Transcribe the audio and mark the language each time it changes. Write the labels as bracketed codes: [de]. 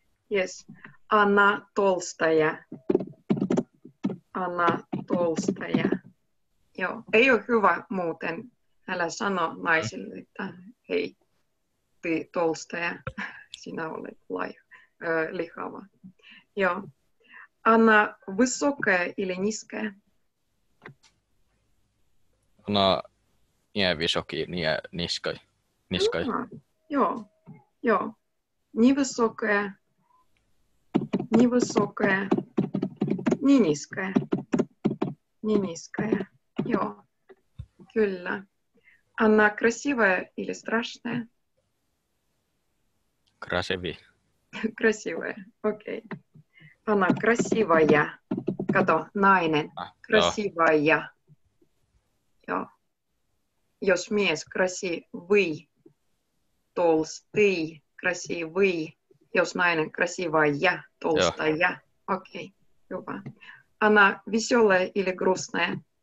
[ru] Yes. Она толстая. Она толстая. Joo. [fi] Ei ole hyvä muuten. Älä sano naisille, että hei, [ru] ti tolstaja, [fi] sinä olet lihava. Joo. [ru] Anna высокая или низкая? Anna не высокий, не низкий. Низкий. Joo. Joo. Невысокая. Невысокая. Не низкая. Не низкая. Joo. Kyllä. Anna красивая или страшная? Красивый. Красивая. Окей. Anna красивая. [fi] Kato, nainen. Красивая. Joo. Jos mies, красивый. [ru] Толстый. Красивый. [fi] Jos nainen, красивая. [ru] Толстая. Окей. Hyvä. Anna веселая или грустная?